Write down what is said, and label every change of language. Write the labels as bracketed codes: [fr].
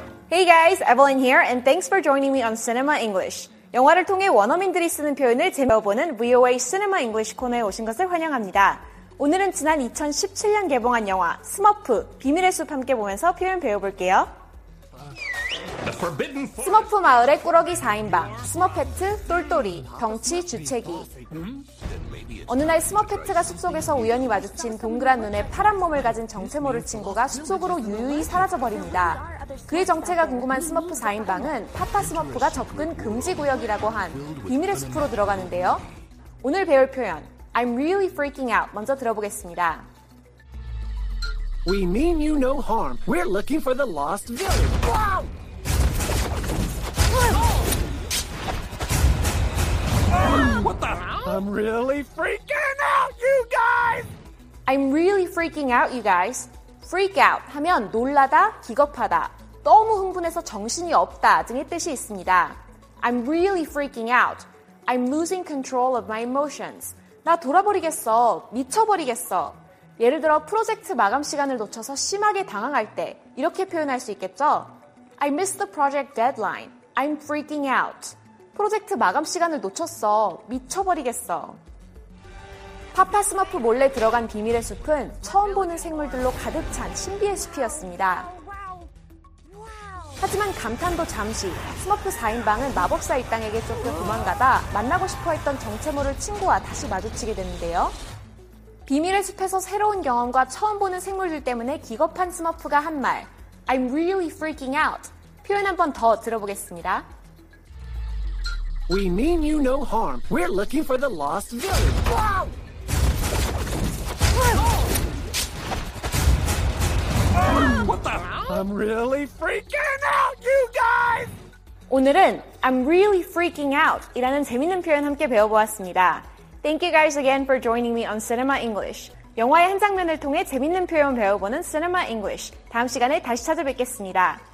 [en] Hey guys, Evelyn here, and thanks for joining me on Cinema English. [ko] 영화를 통해 원어민들이 쓰는 표현을 재배워보는 VOA Cinema English 코너에 오신 것을 환영합니다. 오늘은 지난 2017년 개봉한 영화 스머프, 비밀의 숲 함께 보면서 표현 배워볼게요. 스머프 마을의 꾸러기 4인방, 스머페트, 똘똘이, 덩치, 주채기. 어느 날 스머페트가 숲속에서 우연히 마주친 동그란 눈에 파란 몸을 가진 정체 모를 친구가 숲속으로 유유히 사라져버립니다. 그의 정체가 궁금한 스머프 4인방은 파파 스머프가 접근 금지 구역이라고 한 비밀의 숲으로 들어가는데요. 오늘 배울 표현, [en] I'm really freaking out [ko] 먼저 들어보겠습니다. [en] We mean you no harm. We're looking for the lost village. Wow! What the hell? I'm really freaking out, you guys! I'm really freaking out, you guys. Freak out [ko] 하면 놀라다, 기겁하다, 너무 흥분해서 정신이 없다 등의 뜻이 있습니다. [en] I'm really freaking out. I'm losing control of my emotions. [ko] 나 돌아버리겠어, 미쳐버리겠어. 예를 들어 프로젝트 마감 시간을 놓쳐서 심하게 당황할 때 이렇게 표현할 수 있겠죠? [en] I missed the project deadline. I'm freaking out. [ko] 프로젝트 마감 시간을 놓쳤어. 미쳐버리겠어. 파파 스머프 몰래 들어간 비밀의 숲은 처음 보는 생물들로 가득 찬 신비의 숲이었습니다. 하지만 감탄도 잠시, 스머프 4인방은 마법사 일당에게 쫓겨 도망가다 만나고 싶어했던 정체 모를 친구와 다시 마주치게 되는데요. 비밀의 숲에서 새로운 경험과 처음 보는 생물들 때문에 기겁한 스머프가 한 말, [en] I'm really freaking out. [ko] 표현 한 번 더 들어보겠습니다. [en] We mean you no harm. We're looking for the lost village. Wow! What the hell? I'm really freaking out, you guys! [ko] 오늘은 [en] I'm really freaking out [ko] 이라는 재밌는 표현 함께 배워보았습니다. [en] Thank you guys again for joining me on Cinema English. [ko] 영화의 한 장면을 통해 재밌는 표현 배워보는 Cinema English. 다음 시간에 다시 찾아뵙겠습니다.